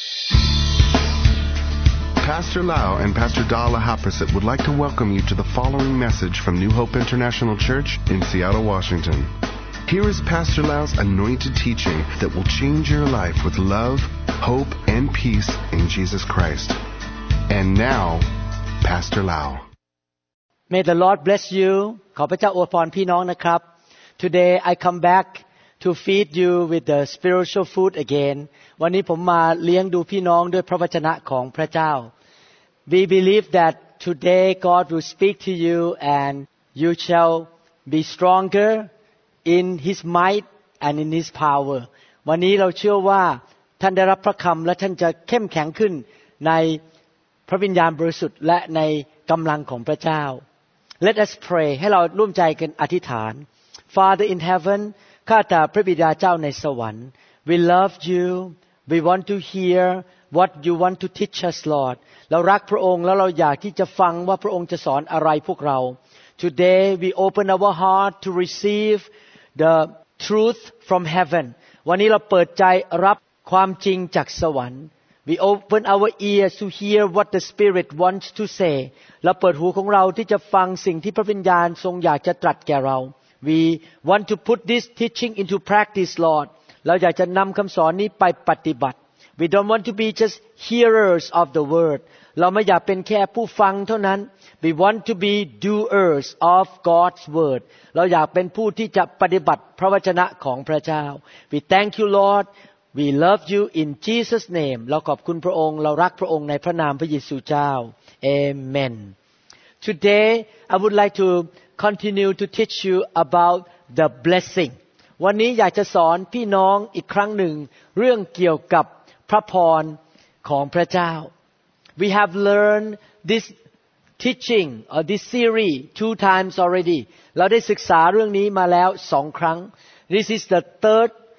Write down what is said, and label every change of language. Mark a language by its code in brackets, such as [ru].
[en] Pastor Lau and Pastor Dala Haprasit would like to welcome you to the following message from New Hope International Church in Seattle, Washington. Here is Pastor Lau's anointed teaching that will change your life with love, hope, and peace in Jesus Christ. And now, Pastor Lau. May the Lord bless you. [th] ขอพระเจ้าอวยพรพี่น้องนะครับ [en] Today I come back to feed you with the spiritual food again. [th] วันนี้ผมมาเลี้ยงดูพี่น้องด้วยพระวจนะของพระเจ้า [en] We believe that today God will speak to you and you shall be stronger in His might and in His power. [th] วันนี้เราเชื่อว่าท่านได้รับพระคำและท่านจะเข้มแข็งขึ้นในพระวิญญาณบริสุทธิ์และในกำลังของพระเจ้า [en] Let us pray. [th] ให้เราร่วมใจกันอธิษฐาน [en] Father in heaven, [th] ข้าแต่พระบิดาเจ้าในสวรรค์ [en] We love you. We want to hear what you want to teach us, Lord. [th] เรารักพระองค์แล้วเราอยากที่จะฟังว่าพระองค์จะสอนอะไรพวกเรา [en] Today we open our heart to receive the truth from heaven. [th] วันนี้เราเปิดใจรับความจริงจากสวรรค์ [en] We open our ears to hear what the Spirit wants to say. [th] เราเปิดหูของเราที่จะฟังสิ่งที่พระวิญญาณทรงอยากจะตรัสแก่เรา [en] We want to put this teaching into practice, Lord. [th] เราอยากจะนำคำสอนนี้ไปปฏิบัติ [en] We don't want to be just hearers of the word. [th] เราไม่อยากเป็นแค่ผู้ฟังเท่านั้น [en] We want to be doers of God's word. [th] เราอยากเป็นผู้ที่จะปฏิบัติพระวจนะของพระเจ้า [en] We thank you, Lord. We love you in Jesus' name. [th] เราขอบคุณพระองค์เรารักพระองค์ในพระนามพระเยซูเจ้า Amen. [en] Today, I would like to continue to teach you about the blessing. [th] วันนี้อยากจะสอนพี่น้องอีกครั้งหนึ่งเรื่องเกี่ยวกับพระพรของพระเจ้า [en] We have learned this teaching or this series 2 times already. [th] เราได้ศึกษาเรื่องนี้มาแล้ว2 ครั้ง. [en] This is the third.